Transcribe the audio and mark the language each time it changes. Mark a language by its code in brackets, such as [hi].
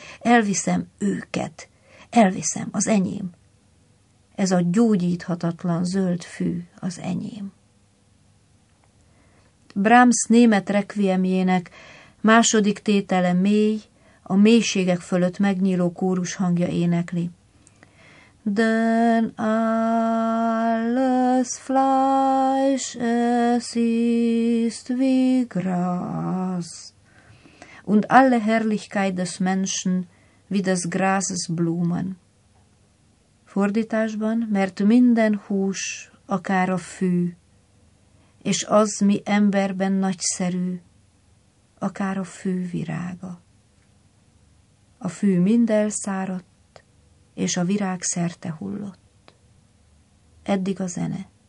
[hu] Elviszem őket. Elviszem, az enyém. Ez a gyógyíthatatlan zöld fű az enyém. Brahms német requiemjének második tétele mély, a mélységek fölött megnyíló kórus hangja énekli. [de] Dann alles Fleisch, es ist wie Gras, und alle Herrlichkeit des Menschen, wie des Grases Blumen. [hu] Fordításban, mert minden hús, akár a fű, és az, mi emberben nagyszerű, akár a fű virága. A fű mind elszáradt, és a virág szerte hullott. Eddig a zene.